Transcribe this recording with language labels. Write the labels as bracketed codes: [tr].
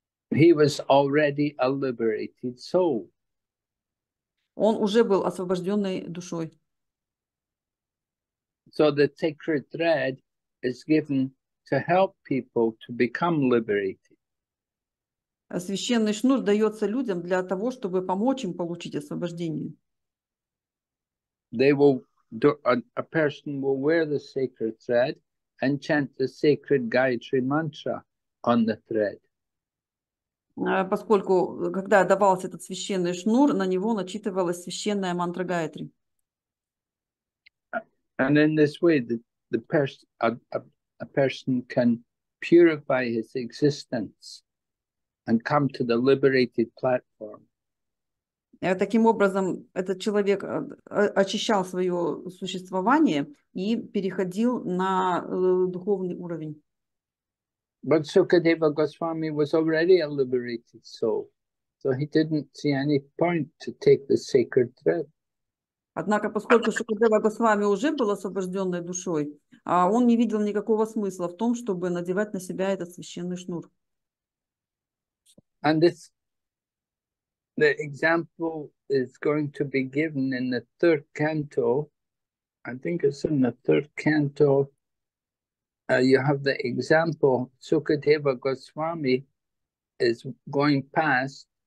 [en] He was already a liberated soul. [ru] Он уже был освобожденной душой. [en] So the sacred thread is given to help people to become liberated. [ru] Священный шнур дается людям для того, чтобы помочь им получить освобождение. [en] They will do, a person will wear the sacred thread and chant the sacred Gayatri mantra on the thread. [ru] Поскольку, когда давался этот священный шнур, на него начитывалась священная мантра Гайатри. [en] And in this way, a person can purify his existence and come to the liberated platform. [ru] Таким образом, этот человек очищал свое существование и переходил на духовный уровень. [en] But Sukadeva Goswami was already a liberated soul, so he didn't see any point to take the sacred thread. [ru] Однако, поскольку Шукадева Госвами уже был освобожденной душой, он не видел никакого смысла в том, чтобы надевать на себя этот священный шнур. [en] And this, the example is going to be given in the third canto. I think it's in the third canto. You have the example, Sukadeva Goswami is going past.